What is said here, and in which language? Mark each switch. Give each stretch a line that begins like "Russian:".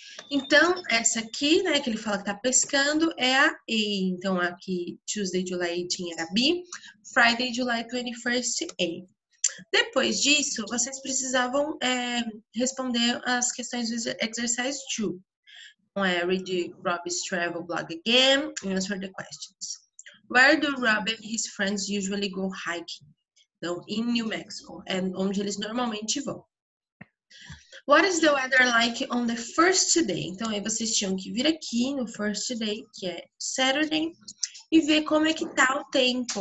Portuguese: Então, essa aqui, né, que ele fala que tá pescando, é a A. Então, aqui, Tuesday, July 18, era B. Friday, July 21st, A. Depois disso, vocês precisavam responder as questões do exercise 2. Então, é
English: read Rob's travel blog again and answer the questions. Where do Rob and his friends usually go hiking? Então, in New Mexico.
Portuguese: É onde eles normalmente vão.
English: What is the weather like on the first day?
Portuguese: Então, aí vocês tinham que vir aqui no first day, que é Saturday, e ver como é que tá o tempo.